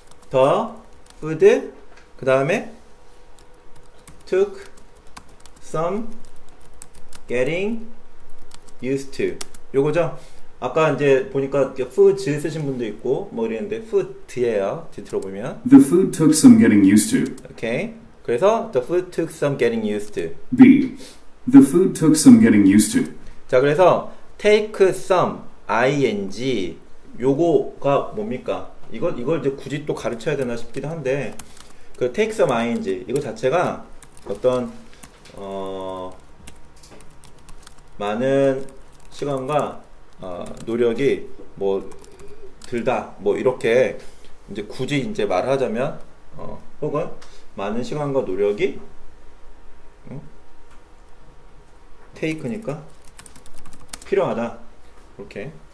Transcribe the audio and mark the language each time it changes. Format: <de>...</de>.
<en>더 food</en> <ko>그 다음에</ko> <en>took some getting used to 요거죠.</en> <ko>아까 이제 보니까 food 쓰신 분도 있고 뭐 이랬는데 food예요. 뒤틀어 보면</ko> <en>the food took some getting used to.</en> <ko>오케이. 그래서</ko> <en>the food took some getting used to. B. The food took some getting used to.</en> <ko>자, 그래서 take some ing 요거가 뭡니까? 이걸 이제 굳이 또 가르쳐야 되나 싶기도 한데 그 take some ing 이거 자체가 어떤 많은 시간과 노력이 뭐 들다 뭐 이렇게 이제 굳이 이제 말을 하자면 혹은 많은 시간과 노력이 테이크니까 필요하다 이렇게.</ko>